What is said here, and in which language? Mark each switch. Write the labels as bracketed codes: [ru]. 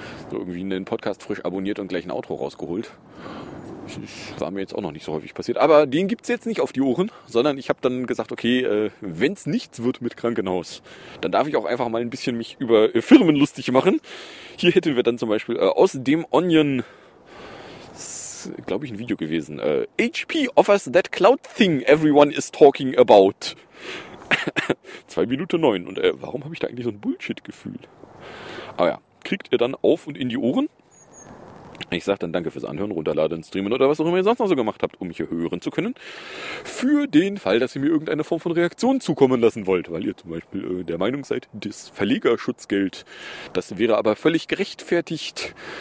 [de] So irgendwie einen Podcast frisch abonniert und gleich ein Outro rausgeholt. Das war mir jetzt auch noch nicht so häufig passiert. Aber den gibt's jetzt nicht auf die Ohren, sondern ich habe dann gesagt, okay, wenn's nichts wird mit Krankenhaus, dann darf ich auch einfach mal ein bisschen mich über Firmen lustig machen. Hier hätten wir dann zum Beispiel aus dem Onion, glaube ich, ein Video gewesen. [en] HP offers that cloud thing everyone is talking about. 2:09. [de] Und warum habe ich da eigentlich so ein Bullshit-Gefühl? Aber ja, kriegt ihr dann auf und in die Ohren. Ich sage dann danke fürs Anhören, runterladen, streamen oder was auch immer ihr sonst noch so gemacht habt, um mich hier hören zu können. Für den Fall, dass ihr mir irgendeine Form von Reaktion zukommen lassen wollt, weil ihr zum Beispiel der Meinung seid, das Verlegerschutzgeld, das wäre aber völlig gerechtfertigt.